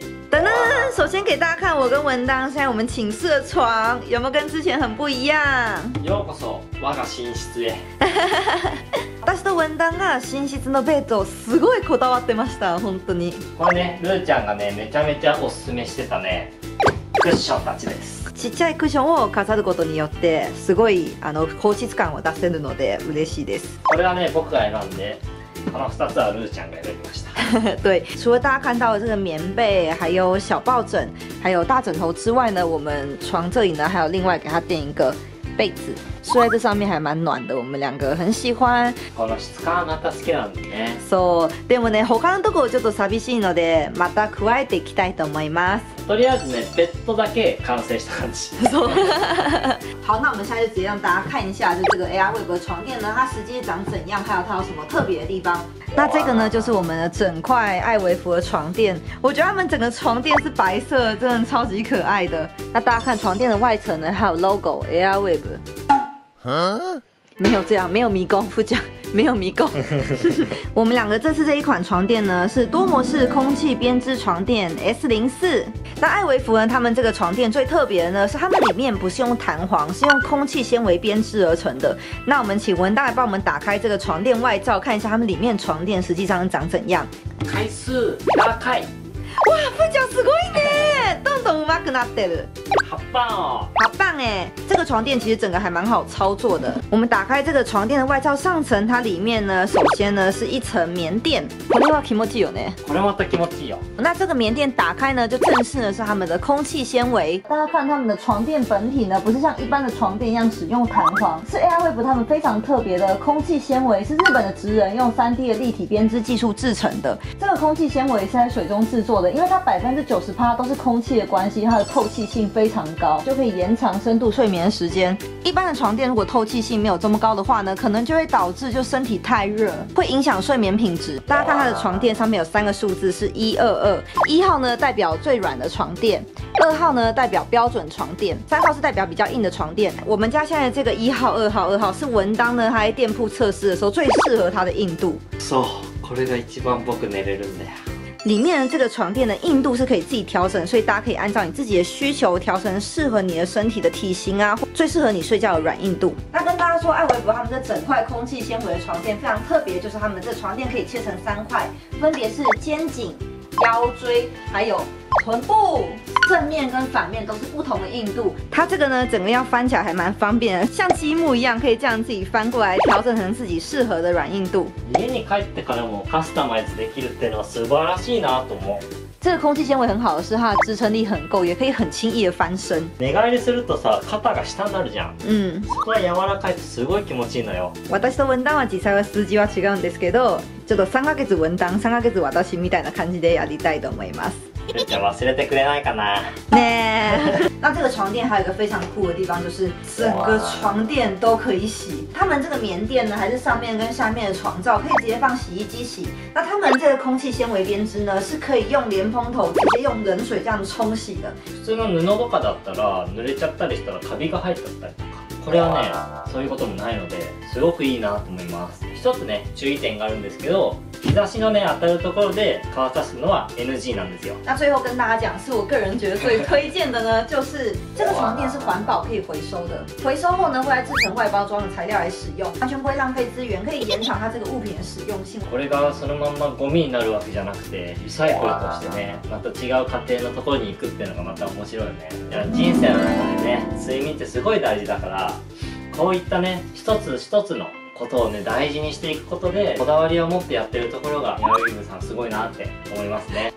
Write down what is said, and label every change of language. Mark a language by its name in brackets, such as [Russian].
[Chinese] 等等，首先给大家看我跟文当现在我们寝室的床有没有跟之前很不一样。 [Japanese] ようこそ我が寝室へ。私と文当が寝室のベッドをすごいこだわってました。本当にこれね、ルーちゃんがねめちゃめちゃおすすめしてたねクッションたちです。ちっちゃいクッションを飾ることによってすごい高質感を出せるので嬉しいです。これはね僕が選んで、この2つはルーちゃんが選びました。 [Chinese] 对，除了大家看到的这个棉被，还有小抱枕，还有大枕头之外呢，我们床这里呢还有另外给它垫一个被子，睡在这上面还蛮暖的，我们两个很喜欢。 [Japanese] この質感が好きなんでね。そう、でもね、他のところちょっと寂しいので、また加えていきたいと思います。とりあえずね、ベッドだけ完成した感じ。そう。 [Chinese] 好，那我们现在就直接让大家看一下，就这个 AR Web 床垫呢，它实际长怎样，还有它有什么特别的地方。那这个呢，就是我们的整块爱维福的床垫。我觉得他们整个床垫是白色，真的超级可爱的。那大家看床垫的外层呢，还有 logo AR Web。没有这样，没有迷宫副驾，没有迷宫。我们两个这次这一款床垫呢，是多模式空气编织床垫 S04。那爱维福呢，他们这个床垫最特别的呢，是他们里面不是用弹簧，是用空气纤维编织而成的。那我们请文大来帮我们打开这个床垫外罩，看一下他们里面床垫实际上长怎样。开始打开。 [Japanese] 哇，副驾すごいね。どんどん上手くなってる。 [Chinese] 好棒哦，好棒哎！这个床垫其实整个还蛮好操作的。我们打开这个床垫的外罩上层，它里面呢，首先呢是一层棉垫。 [Japanese] これは気持ちいいよね。これまた気持ちいいよ。 [Chinese] 那这个棉垫打开呢，就正式呢是他们的空气纤维。大家看他们的床垫本体呢，不是像一般的床垫一样使用弹簧，是 AirWave 他们非常特别的空气纤维，是日本的职人用 3D 的立体编织技术制成的。这个空气纤维是在水中制作的，因为它90%都是空气的关系，它的透气性非常。就可以延长深度睡眠时间。一般的床垫如果透气性没有这么高的话呢，可能就会导致就身体太热，会影响睡眠品质。大家看它的床垫上面有三个数字，是122，一号呢代表最软的床垫，二号呢代表标准床垫，三号是代表比较硬的床垫。我们家现在的这个一号、二号、二号是文当呢他在店铺测试的时候最适合它的硬度。 [Japanese] そう、これが一番僕寝れるんだよ。 [Chinese] 里面的这个床垫的硬度是可以自己调整，所以大家可以按照你自己的需求调成适合你的身体的体型啊，最适合你睡觉的软硬度。那跟大家说，爱维博他们这整块空气纤维的床垫非常特别，就是他们这床垫可以切成三块，分别是肩颈、腰椎还有臀部，正面跟反面都是不同的硬度。它这个呢，整个要翻起来还蛮方便的，像积木一样，可以这样自己翻过来调整成自己适合的软硬度。 [Japanese] 家に帰ってからもカスタマイズできるっていうのは素晴らしいなと思う。 [Chinese] 这个空气纤维很好的是它的支撑力很够，也可以很轻易的翻身。 [Japanese] 寝返りするとさ、肩が下になるじゃん。そこは柔らかいとすごい気持ちいいのよ。私と文旦は実際は数字は違うんですけど、ちょっと3ヶ月文旦、3ヶ月私みたいな感じでやりたいと思います。ルーちゃん忘れてくれないかな。ねえ。 [Chinese] 那这个床垫还有一个非常酷的地方，就是整个床垫都可以洗。他们这个棉垫呢，还是上面跟下面的床罩可以直接放洗衣机洗。那他们这个空气纤维编织呢，是可以用连蓬头直接用冷水这样冲洗的。 [Japanese] 普通の布とかだったら濡れちゃったりしたらカビが入っちゃったりとか、これはねそういうこともないので、すごくいいなと思います。一つね注意点があるんですけど。日差しのね当たるところで乾かすのは NG なんですよ。 [Chinese] 那最后跟大家讲，是我个人觉得最推荐的呢，就是这个床垫是环保可以回收的，回收后呢会来制成外包装的材料来使用，完全不会浪费资源，可以延长它这个物品的使用性。 [Japanese] これがそのまんまゴミになるわけじゃなくて、リサイクルとしてね、また違う家庭のところに行くっていうのがまた面白いよね。いや人生の中でね、睡眠ってすごい大事だから、こういったね一つ一つの。ことをね大事にしていくことでこだわりを持ってやってるところがエアウィーヴさんすごいなって思いますね。